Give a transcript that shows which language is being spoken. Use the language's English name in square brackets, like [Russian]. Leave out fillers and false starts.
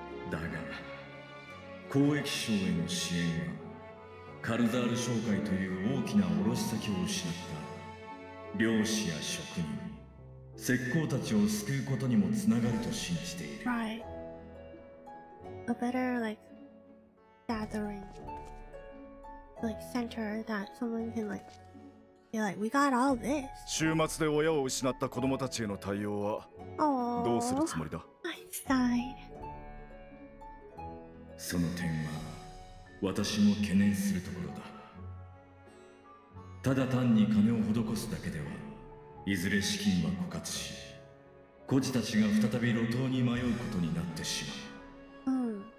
[Japanese] だが交易商への支援はカルザール商会という大きな卸先を失った漁師や職人、石膏たちを救うことにもつながると信じている。 [English] Right. A better like gathering like center that someone can like be like, we got all this. [Japanese] 週末で親を失った子供たちへの対応はどうするつもりだ。 [English] My side. [Japanese] その点は私も懸念するところだ。ただ単に金を施すだけではいずれ資金は枯渇し、孤児たちが再び路頭に迷うことになってしまう。